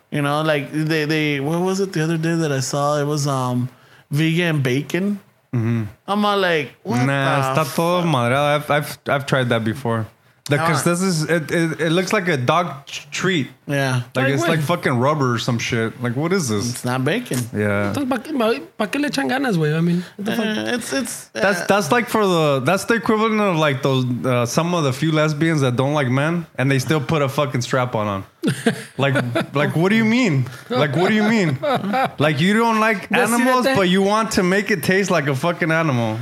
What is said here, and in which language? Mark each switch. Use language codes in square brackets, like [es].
[en] You know, like they what was it the other day that I saw? It was vegan bacon. Mm-hmm. I'm like, what? Nah, está todo madreado. I've tried that before. Because this is it looks like a dog treat. Yeah. Like it's like fucking rubber or some shit. Like, what is this? It's not bacon. Yeah. [es] ¿Para qué le echan ganas, güey? I mean, [en] That's like for that's the equivalent of like those some of the few lesbians that don't like men and they still put a fucking strap on. Like what do you mean? Like, what do you mean? Like, you don't like animals, but you want to make it taste like a fucking animal.